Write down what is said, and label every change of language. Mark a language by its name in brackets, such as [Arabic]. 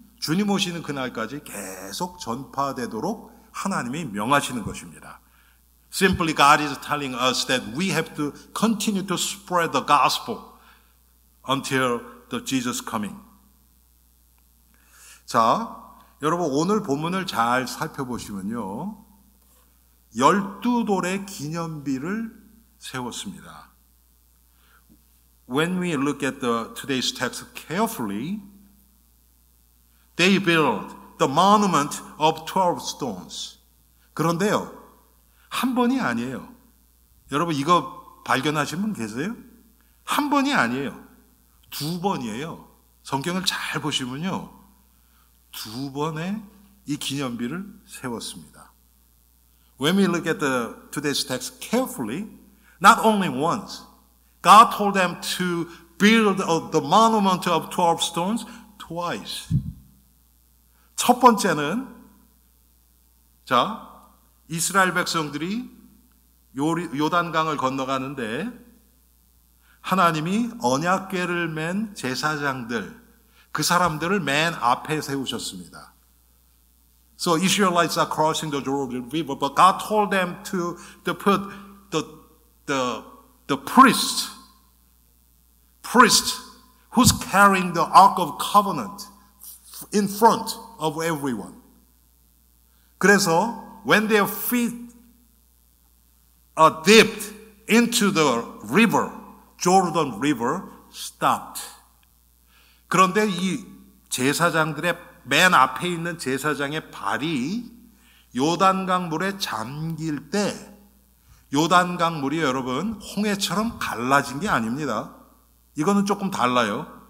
[Korean] 주님 오시는 그날까지 계속 전파되도록 하나님이 명하시는 것입니다. [English] Simply God is telling us that we have to continue to spread the gospel until the Jesus coming. [Korean] 자, 여러분 오늘 본문을 잘 살펴보시면요. 열두 돌의 기념비를 세웠습니다. [English] When we look at today's text carefully, they built the monument of 12 stones. [Korean] 그런데요, 한 번이 아니에요. 여러분 이거 발견하신 분 계세요? 한 번이 아니에요. 두 번이에요. 성경을 잘 보시면요. 두 번의 이 기념비를 세웠습니다. [English] When we look at today's text carefully, not only once, God told them to build the monument of 12 stones twice. [Korean] 첫 번째는, 자, 이스라엘 백성들이 요단강을 건너가는데 하나님이 언약궤를 맨 제사장들, 그 사람들을 맨 앞에 세우셨습니다. [English] So Israelites are crossing the Jordan River, but God told them to put the priest who's carrying the Ark of Covenant in front of everyone. [Korean] 그래서 [English] when their feet are dipped into the river, Jordan River stopped. [Korean] 그런데 이 제사장들의 맨 앞에 있는 제사장의 발이 요단강 물에 잠길 때 요단강 물이 여러분 홍해처럼 갈라진 게 아닙니다. 이거는 조금 달라요.